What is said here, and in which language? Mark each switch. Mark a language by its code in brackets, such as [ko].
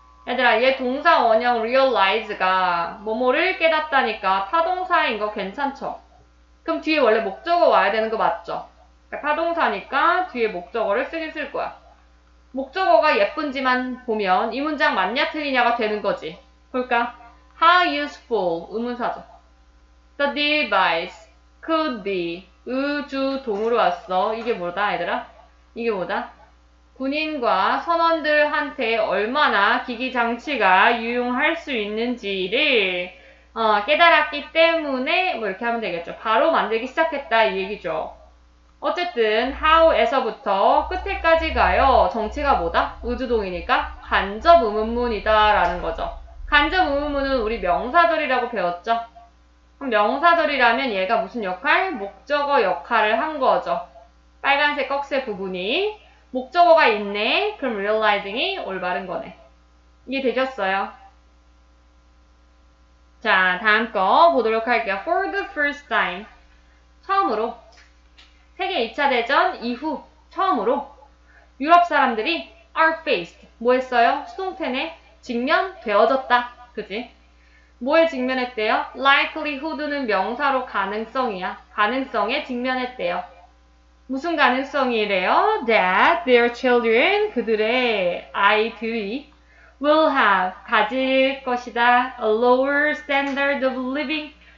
[ko] 얘들아, 얘 동사 원형 realize가 뭐뭐를 깨닫다니까 타동사인 거 괜찮죠? 그럼 뒤에 원래 목적어 와야 되는 거 맞죠? 타동사니까 뒤에 목적어를 쓰긴 쓸 거야. 목적어가 예쁜지만 보면 이 문장 맞냐 틀리냐가 되는 거지. 볼까? [en] How useful [ko] 의문사죠. [en] The device could be [ko] 의주 동으로 왔어. 이게 뭐다, 얘들아? 이게 뭐다? 군인과 선원들한테 얼마나 기기 장치가 유용할 수 있는지를 깨달았기 때문에 뭐 이렇게 하면 되겠죠. 바로 만들기 시작했다 이 얘기죠. 어쨌든 how에서부터 끝에까지 가요. 정체가 뭐다? 의주동이니까 간접 의문문이다라는 거죠. 간접 의문문은 우리 명사절이라고 배웠죠. 그럼 명사절이라면 얘가 무슨 역할? 목적어 역할을 한 거죠. 빨간색 꺽쇠 부분이 목적어가 있네. 그럼 realizing이 올바른 거네. 이해 되셨어요? 자, 다음 거 보도록 할게요. [en] For the first time. [ko] 처음으로. 세계 2차 대전 이후 처음으로 유럽 사람들이 [en] are faced. [ko] 뭐 했어요? 수동태네. 직면되어졌다. 그지? 뭐에 직면했대요? likelihood는 명사로 가능성이야. 가능성에 직면했대요. 무슨 가능성이래요? [en] That their children, [ko] 그들의 아이들이 [en] will have, [ko] 가질 것이다. [en] A lower standard of living.